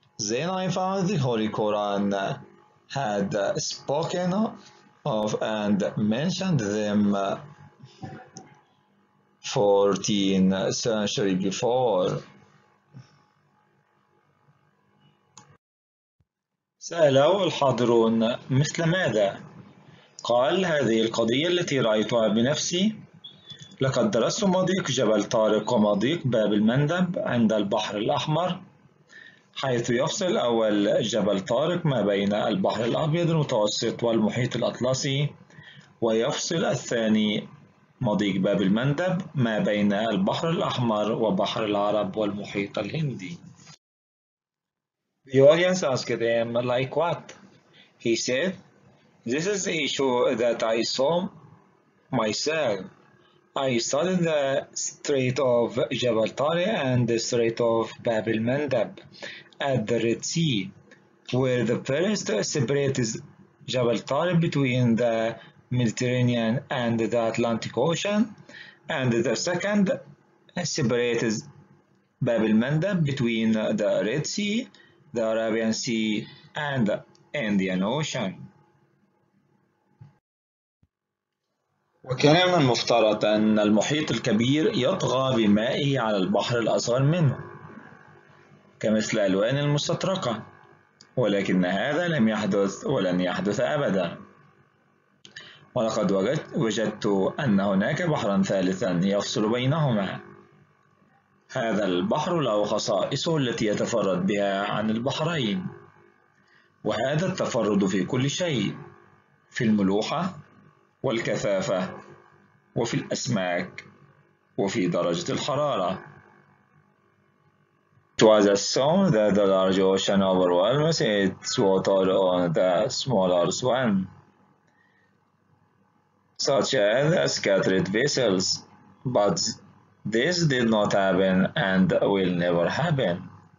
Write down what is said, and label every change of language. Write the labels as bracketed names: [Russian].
[English] Then I found the Holy Quran had spoken of and mentioned them 14 centuries before. [Arabic] سأله الحاضرون مثل ماذا؟ قال هذه القضية التي رأيتها بنفسي، لقد درست مضيق جبل طارق ومضيق باب المندب عند البحر الأحمر، حيث يفصل أول جبل طارق ما بين البحر الأبيض المتوسط والمحيط الأطلسي، ويفصل الثاني مضيق باب المندب ما بين البحر الأحمر وبحر العرب والمحيط الهندي. [English] The audience asked him, like what? He said, this is the issue that I saw myself. I studied the Strait of Jabal Tariq and the Strait of Bab el-Mandab at the Red Sea, where the first separates Jabal Tariq between the Mediterranean and the Atlantic Ocean, and the second separates Bab el-Mandab between the Red Sea, the Arabian Sea and the Indian Ocean. [Arabic] وكان من المفترض أن المحيط الكبير يطغى بمائه على البحر الأصغر منه كمثل ألوان المستطرقة، ولكن هذا لم يحدث ولن يحدث أبدا. ولقد وجدت أن هناك بحرا ثالثا يفصل بينهما. هذا البحر له خصائصه التي يتفرد بها عن البحرين، وهذا التفرد في كل شيء، في الملوحة والكثافة وفي الأسماك وفي درجة الحرارة. [English] It was assumed that the large ocean overwhelms its water on the smaller one, such as scattered vessels, but this did not happen and will never happen.